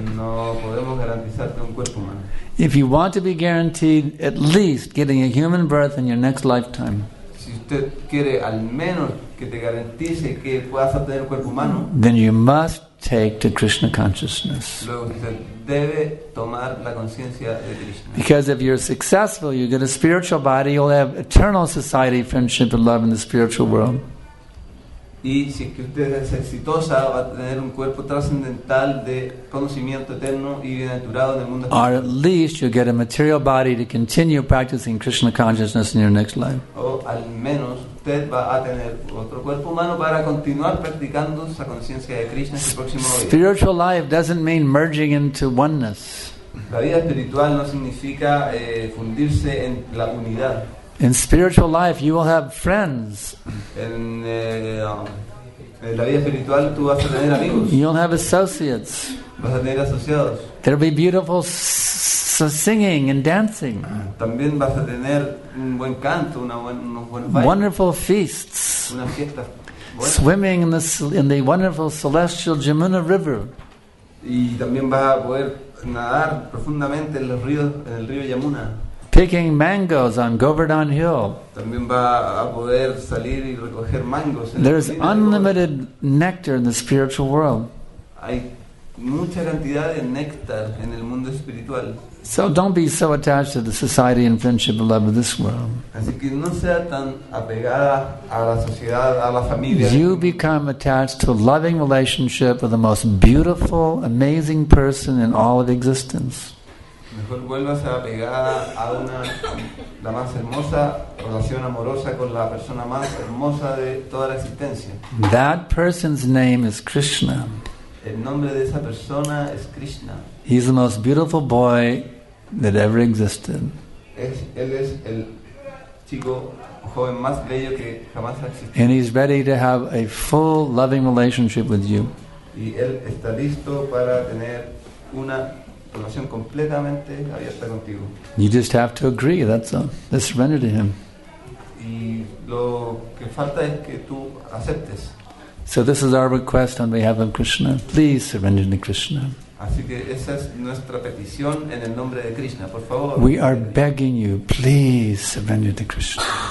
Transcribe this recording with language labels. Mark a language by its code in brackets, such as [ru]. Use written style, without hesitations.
[es] No podemos garantizarte un cuerpo humano. [en] If you want to be guaranteed at least getting a human birth in your next lifetime, [es] si usted quiere al menos que te garantice que puedas obtener un cuerpo humano, [en] then you must take to Krishna consciousness. [es] Luego usted debe tomar la conciencia de Krishna. [en] Because if you're successful, you get a spiritual body, you'll have eternal society, friendship and love in the spiritual world. [es] Y si es que usted es exitosa, va a tener un cuerpo trascendental de conocimiento eterno y bienaventurado en el mundo. [en] Or at least you get a material body to continue practicing Krishna consciousness in your next life. [es] O al menos usted va a tener otro cuerpo humano para continuar practicando esa conciencia de Krishna en su próximo vida. [en] Spiritual life doesn't mean merging into oneness. [es] La vida espiritual no significa fundirse en la unidad. [en] In spiritual life, you will have friends. [es] En la vida espiritual, tú vas a tener amigos. [en] You'll have associates. [es] Vas a tener asociados. [en] There'll be beautiful singing and dancing. [es] También vas a tener un buen canto, unos buenos bailes. [en] Wonderful feasts. [es] Una fiesta. [en] Swimming in the wonderful celestial Jamuna River. [es] Y también vas a poder nadar profundamente en el río Yamuna. [en] Picking mangoes on Govardhan Hill. [es] También va a poder salir y recoger mangos. [en] There's unlimited nectar in the spiritual world. [es] Hay mucha cantidad de néctar en el mundo espiritual. [en] So don't be so attached to the society and friendship and love of this world. [es] Así que no sea tan apegada a la sociedad, a la familia. [en] You become attached to a loving relationship with the most beautiful, amazing person in all of existence. [es] Mejor vuelvas a pegar a la más hermosa relación amorosa con la persona más hermosa de toda la existencia. [en] That person's name is Krishna. [es] El nombre de esa persona es Krishna. [en] He's the most beautiful boy that ever existed. [es] Él es el chico joven más bello que jamás ha existido. [en] And he's ready to have a full loving relationship with you. [es] Y él está listo para tener una relación completamente abierta contigo. [en] You just have to agree, that's all. Let's surrender to him. [es] Y lo que falta es que tú aceptes. [en] So this is our request on behalf of Krishna. Please surrender to Krishna. [es] Así que esa es nuestra petición en el nombre de Krishna. Por favor. [en] We are begging you, please surrender to Krishna.